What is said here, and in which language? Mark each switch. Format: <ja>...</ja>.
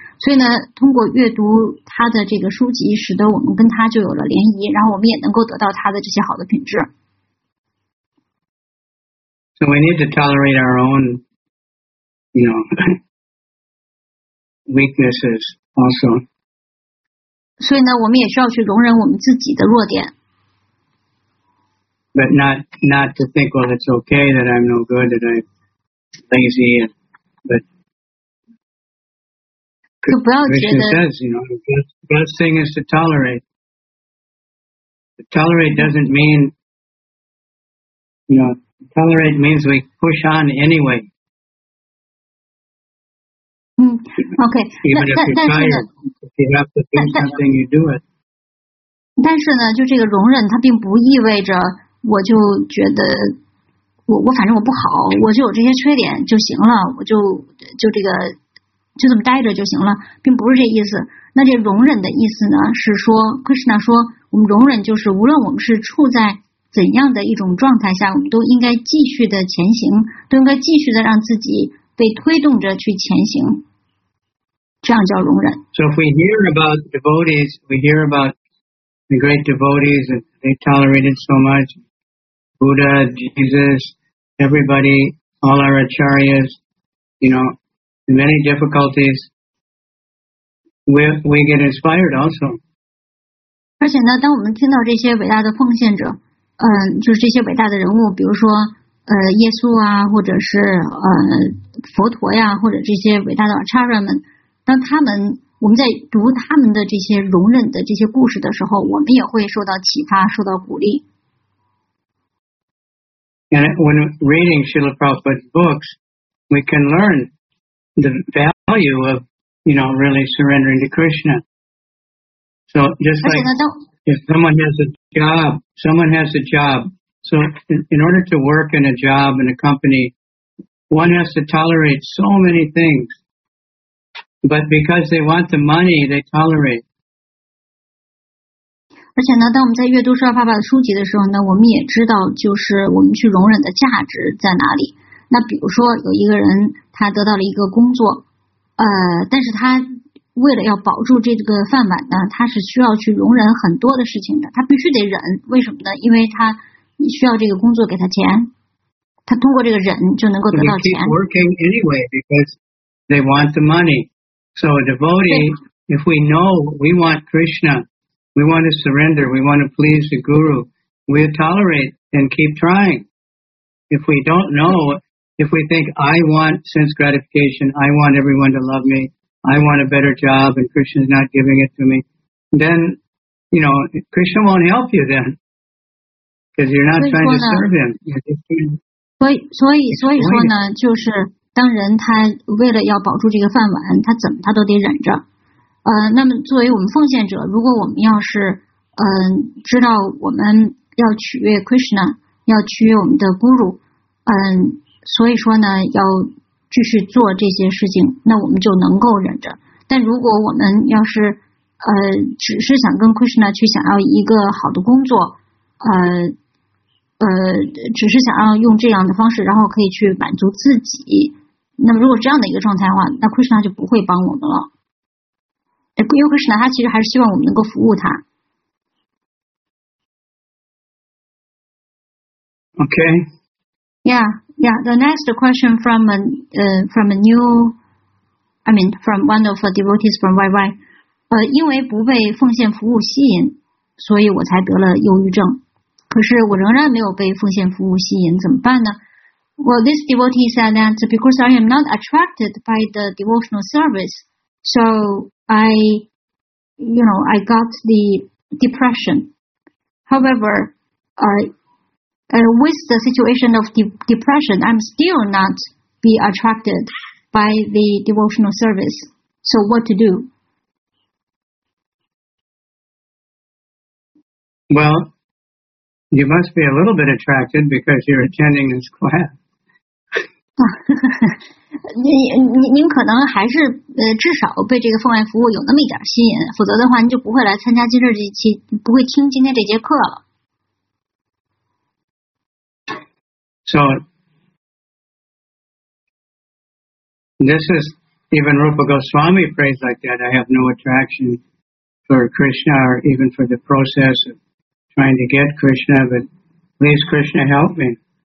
<zh>所以呢，通过阅读他的这个书籍，使得我们跟他就有了联谊，然后我们也能够得到他的这些好的品质。</zh> <en>So we need to tolerate our own, you know, weaknesses also.</en> <zh>所以呢，我们也需要去容忍我们自己的弱点。</zh> <en>But not to think, well, it's okay that I'm no good, that I'm lazy, but.</en> <zh>就不要觉得</zh> <en>Krishna says, you know, the best thing is to tolerate. But tolerate doesn't mean, you know, tolerate means we push on anyway. Okay. But</en> <zh>怎样的一种状态下，我们都应该继续的前行，都应该继续的让自己被推动着去前行，这样叫容忍。</zh> <en>So if we hear about devotees, we hear about the great devotees, they tolerated so much, Buddha, Jesus, everybody, all our acharyas, you know, many difficulties, we get inspired also.</en> <zh>而且呢，当我们听到这些伟大的奉献者，就是这些伟大的人物，比如说耶稣啊，或者是佛陀呀，或者这些伟大的阿查拉们，当他们我们在读他们的这些容忍的这些故事的时候，我们也会受到启发，受到鼓励。</zh> <en>And when reading Srila Prabhupada's books, we can learn the value of, you know, really surrendering to Krishna. So just like if someone has a job, so in order to work in a job, in a company, one has to tolerate so many things. But because they want the money, they tolerate.</en> <zh>而且呢，当我们在阅读沙巴巴的书籍的时候呢，我们也知道就是我们去容忍的价值在哪里。那比如说有一个人他得到了一个工作，但是他为了要保住这个饭碗呢，他是需要去容忍很多的事情的，他必须得忍。为什么呢？因为他需要这个工作给他钱，他通过这个忍就能够得到钱。</zh> <en>So they keep working anyway because they want the money. So a devotee, if we know we want Krishna, we want to surrender, we want to please the guru, we tolerate and keep trying. If we don't know, if we think I want sense gratification, I want everyone to love me,I want a better job and Krishna's not giving it to me, then, you know, Krishna won't help you then. Because you're not trying to serve him.</en> <zh>所以说呢就是当人他为了要保住这个饭碗，他怎么他都得忍着。那么作为我们奉献者，如果我们要是知道我们要取悦 Krishna, 要取悦我们的 Guru, 所以说呢要继续做这些事情，那我们就能够忍着。但如果我们要是只是想跟 Krishna 去想要一个好的工作，只是想要用这样的方式然后可以去满足自己，那么如果这样的一个状态的话，那 Krishna 就不会帮我们了。因为 Krishna 他其实还是希望我们能够服务他。</zh> <en>OK yeahYeah, the next question from one of the devotees from YY.</en> <zh>因为不被奉献服务吸引，所以我才得了忧郁症。可是我仍然没有被奉献服务吸引，怎么办呢？</zh> <en>Well, this devotee said that because I am not attracted by the devotional service, so I got the depression. However, with the situation of depression, I'm still not be attracted by the devotional service. So what to do? Well, you must be a little bit attracted because you're attending this class.</en> <zh>您可能还是至少被这个奉爱服务有那么一点吸引，否则的话您就不会来参加今日这期，不会听今天这节课了。</zh> <en>So, this is, even Rupa Goswami prays like that, I have no attraction for Krishna or even for the process of trying to get Krishna, but please Krishna help me.</en>